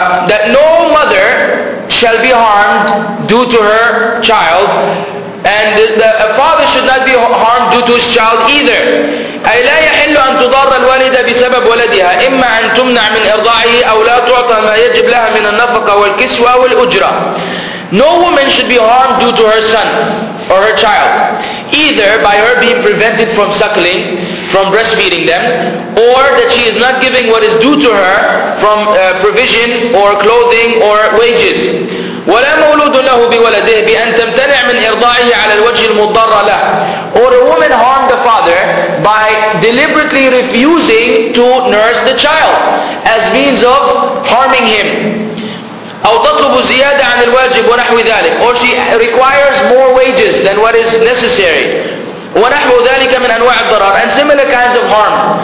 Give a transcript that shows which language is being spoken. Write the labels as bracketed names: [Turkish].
[English] That no mother shall be harmed due to her child, and a father should not be harmed due to his child either. [Arabic] أي لا يحل أن تضار الوالدة بسبب ولدها إما أن تمنع من إرضاعه أو لا تعطى ما يجب لها من النفقة والكسوة والأجرة. [English] No woman should be harmed due to her son or her child, either by her being prevented from suckling, from breastfeeding them, or that she is not giving what is due to her from provision or clothing or wages. [Arabic] ولا مولود له بولده بأن تمتنع من إرضاعه على الوجه المضر له. [English] Or a woman harmed the father by deliberately refusing to nurse the child as means of harming him. [Arabic] أو تطلب زيادة عن الواجب ونحو ذلك. [English] Or she requires more wages than what is necessary. [Arabic] ونحو ذلك من أنواع الضرر. [English] And similar kinds of harm.